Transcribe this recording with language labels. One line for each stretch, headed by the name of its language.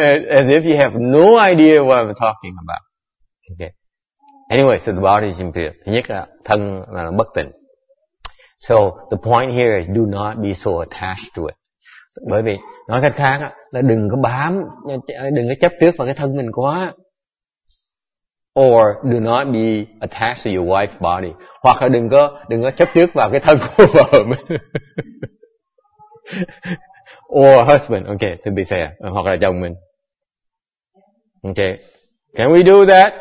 English: As if you have no idea what I'm talking about. Okay. Anyway, so the body is impure.
Vietnamese: Thứ nhất là thân là bất tịnh.
English: So the point here is do not be so attached to it.
Vietnamese: Bởi vì nói cách khác là đừng có bám, đừng có chấp trước vào cái thân mình quá.
English: Or do not be attached to your wife's body.
Vietnamese: Hoặc là đừng có chấp trước vào cái thân của vợ mình.
English: Or husband, okay, to be fair,
Vietnamese: hoặc là chồng mình.
English: Okay, can we do that?